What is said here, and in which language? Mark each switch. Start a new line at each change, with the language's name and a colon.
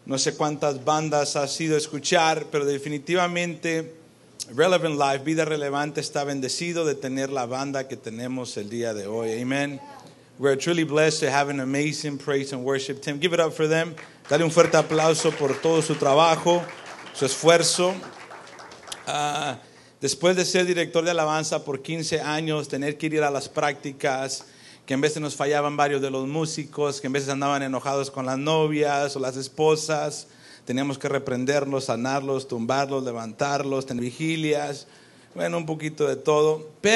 Spanish: No sé cuántas bandas has ido a escuchar, pero definitivamente Relevant Life, Vida Relevante, está bendecido de tener la banda que tenemos el día de hoy.
English: Amen. We're truly blessed to have an amazing praise and worship team. Give it up for them.
Spanish: Dale un fuerte aplauso por todo su trabajo, su esfuerzo. Después de ser director de alabanza por 15 años, tener que ir a las prácticas, que en veces nos fallaban varios de los músicos, que en veces andaban enojados con las novias o las esposas, teníamos que reprenderlos, sanarlos, tumbarlos, levantarlos, tener vigilias, bueno, un poquito de todo.